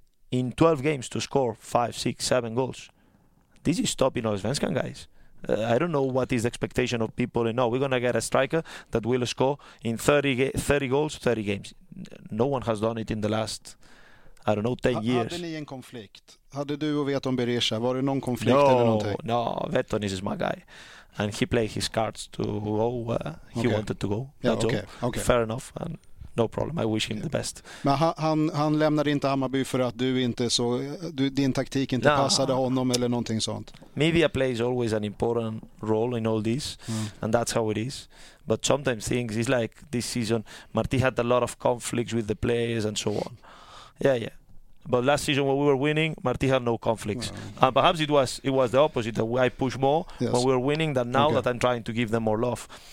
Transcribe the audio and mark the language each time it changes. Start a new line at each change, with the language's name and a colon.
English: In 12 games to score 5, 6, 7 goals, this is top in Allsvenskan, guys. I don't know what is the expectation of people. And no, we're going to get a striker that will score in 30 goals, 30 games. No one has done it in the last, I don't know, 10 years.
Swedish: Hade ni en konflikt? Hade du och Veton Berisha, var det någon konflikt eller någonting?
English: No, Veton is my guy. And he played his cards to go where he wanted to go. That's all. Fair enough. And No problem, I wish him the best.
Swedish: Men han lämnade inte Hammarby för att du inte så du, din taktik inte passade honom eller någonting sånt.
English: Media plays always an important role in all this and that's how it is. But sometimes things is like this season Marti had a lot of conflicts with the players and so on. Yeah, yeah. But last season when we were winning, Marti had no conflicts. And perhaps it was the opposite, that I pushed more when we were winning than now that I'm trying to give them more love.